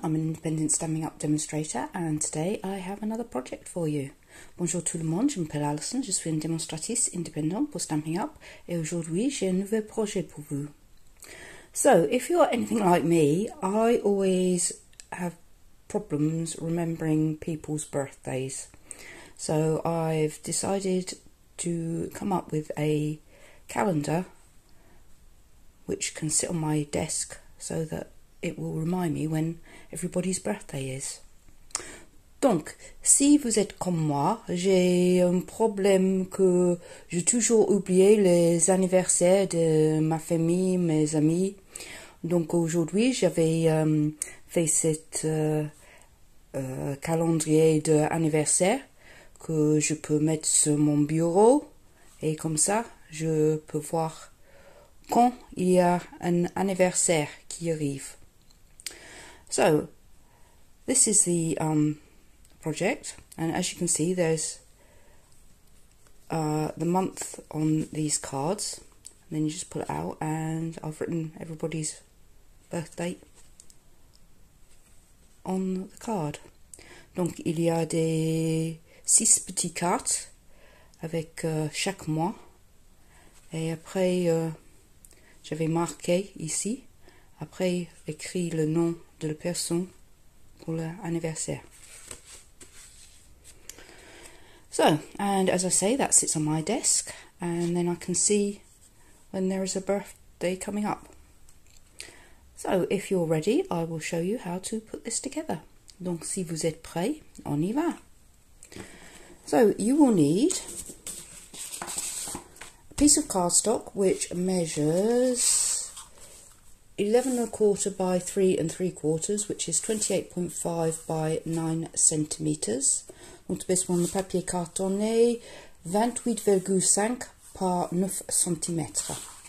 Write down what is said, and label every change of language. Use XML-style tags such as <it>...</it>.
<en>I'm an independent Stampin Up demonstrator and today I have another project for you.</en> <fr>Bonjour tout le monde, je m'appelle Alison, je suis une démonstratrice indépendante pour Stampin Up et aujourd'hui j'ai un nouveau projet pour vous.</fr> <en>So, if you're anything like me, I always have problems remembering people's birthdays. So, I've decided to come up with a calendar which can sit on my desk so that it will remind me when everybody's birthday is.</en> <fr>Donc, si vous êtes comme moi, j'ai un problème que j'ai toujours oublié les anniversaires de ma famille, mes amis. Donc aujourd'hui, j'avais fait cette calendrier d'anniversaire que je peux mettre sur mon bureau. Et comme ça, je peux voir quand il y a un anniversaire qui arrive.</fr> <en>So, this is the project, and as you can see, there's the month on these cards, and then you just pull it out, and I've written everybody's birthday on the card.</en> <fr>Donc, il y a des six petites cartes avec chaque mois, et après, j'avais marqué ici, après, écrit le nom de la personne pour l'anniversaire.</fr> <en>So, and as I say, that sits on my desk, and then I can see when there is a birthday coming up. So, if you're ready, I will show you how to put this together.</en> <fr>Donc, si vous êtes prêts, on y va.</fr> <en>So, you will need a piece of cardstock which measures 11 1/4 by 3 3/4, which is 28.5 by 9 centimeters.</en> <fr>Donc, besoin de papier cartonné 28.5 par 9 centimètres.</fr>